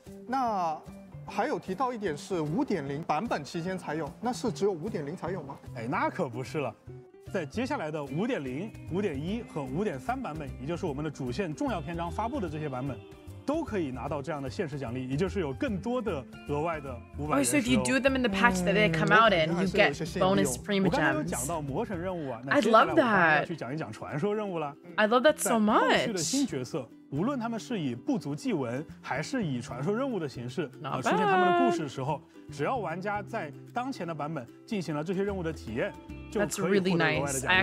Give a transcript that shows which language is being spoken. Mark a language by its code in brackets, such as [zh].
[zh] 那还有提到一点是5.0版本期间才有，那是只有5.0才有吗？哎，那可不是了，在接下来的5.0、5.1和5.3版本，也就是我们的主线重要篇章发布的这些版本，都可以拿到这样的限时奖励，也就是有更多的额外的500元石。 [en] Oh, so if you do them in the patch that they come out in, you get bonus prima gems. [zh] 我刚才有讲到魔神任务啊，那接下来我们要去讲一讲传说任务了。 [en] I love that so much. [zh] 在后续的新角色，无论他们是以不足祭文还是以传说任务的形式出现他们的故事的时候，只要玩家在当前的版本进行了这些任务的体验，就可以获得额外的奖励了。